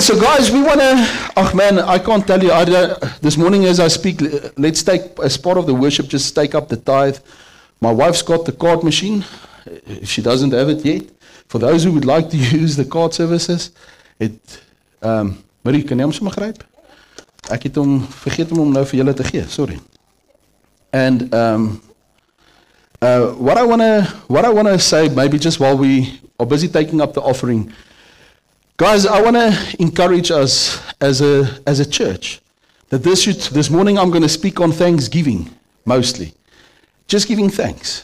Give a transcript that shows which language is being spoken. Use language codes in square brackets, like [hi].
[en] So guys, we want to, I can't tell you, this morning as I speak, let's take, as part of the worship, just take up the tithe. My wife's got the card machine, if she doesn't have it yet. For those who would like to use the card services, Marie, [af] kan jy hom sommer gryp? Ek het hom, vergeet hom nou vir julle te gee, sorry. [en] And what I want to say, maybe just while we are busy taking up the offering, guys, I want to encourage us as a church that this morning I'm going to speak on thanksgiving mostly. Just giving thanks.